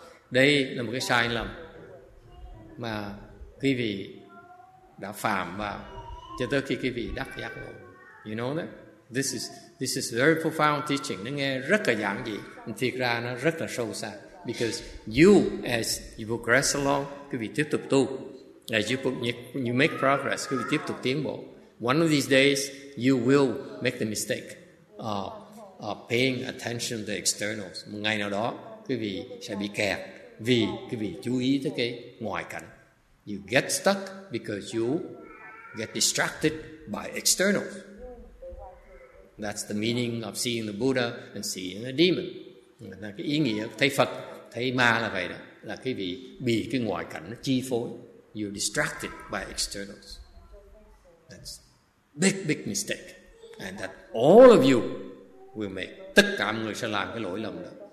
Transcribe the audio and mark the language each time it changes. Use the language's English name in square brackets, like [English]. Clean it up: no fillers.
[Vietnamese] Đây là một cái sai lầm mà quý vị đã phạm vào cho tới khi quý vị đắc giác ngộ. [English] You know that? This is very profound teaching. [Vietnamese] Nó nghe rất là giản dị, thiệt ra nó rất là sâu xa. [English] Because you, as you progress along, [Vietnamese] quý vị tiếp tục tu. [English] As you make progress, [Vietnamese] quý vị tiếp tục tiến bộ. [English] One of these days, you will make the mistake of paying attention to the externals. [Vietnamese] Một ngày nào đó, quý vị sẽ bị kẹt vì quý vị chú ý tới cái ngoại cảnh. [English] You get stuck because you get distracted by externals. That's the meaning of seeing the Buddha and seeing a demon. [Vietnamese] Là cái ý nghĩa thấy Phật, thấy ma là vậy đó. Là quý vị bị cái ngoại cảnh nó chi phối. [English] You're distracted by externals. That's big, big mistake. And that all of you will make. [Vietnamese] Tất cả mọi người sẽ làm cái lỗi lầm đó.